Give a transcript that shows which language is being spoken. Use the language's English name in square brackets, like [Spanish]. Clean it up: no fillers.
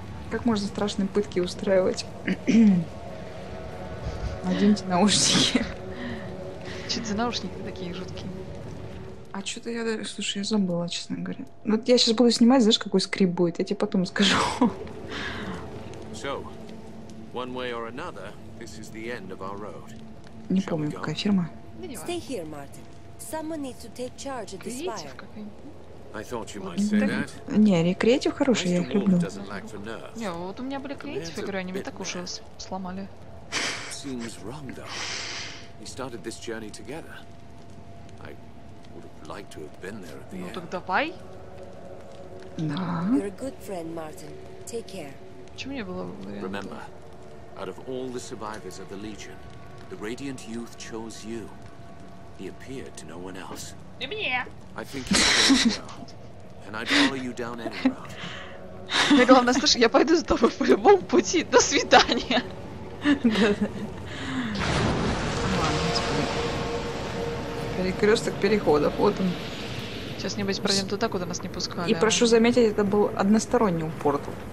[Russian] Как можно страшные пытки устраивать? Наденьте наушники. Чё-то за наушники такие жуткие. А что-то я, слушай, я забыла, честно говоря. Вот я сейчас буду снимать, знаешь, какой скрип будет, я тебе потом скажу. [English] So, one way or another, this is the end of our road. [Russian] Не помню, какая фирма. [English] Stay here, Martin. Someone needs to take charge of this fire. I thought you might say that. [Russian] Не, рекреатив хороший, я их люблю. Не, вот у меня были креатив, я говорю, они меня так уже сломали. [English] Seems wrong, though. We started this journey together. Like to have been there at the end. [Russian] Ну так давай. Да. [English] You're a good friend, Martin. Take care. [Russian] Чего мне было? [English] Remember, out of all the survivors of the Legion, the Radiant Youth chose you. He appeared to no one else. [Russian] И мне. [English] I think you're well, and I'd follow you down any route. [Russian] Мне главное, слушай, я пойду за тобой по любому пути. До свидания. Перекресток переходов, вот он. Сейчас небось пройдем туда, куда нас не пускали. И прошу заметить, это был односторонний портал.